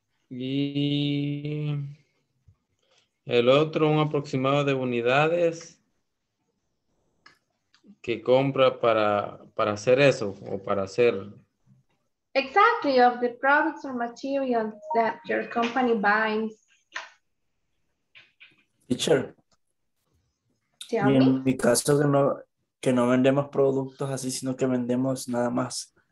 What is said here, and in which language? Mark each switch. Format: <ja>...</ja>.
<es>Y el otro, un aproximado de unidades que compra para hacer eso o para hacer.</es> <en>Exactly, of the products or materials that your company buys. Teacher.</en> <es>¿Sí, en mi caso, que no vendemos productos así, sino que vendemos nada más</es>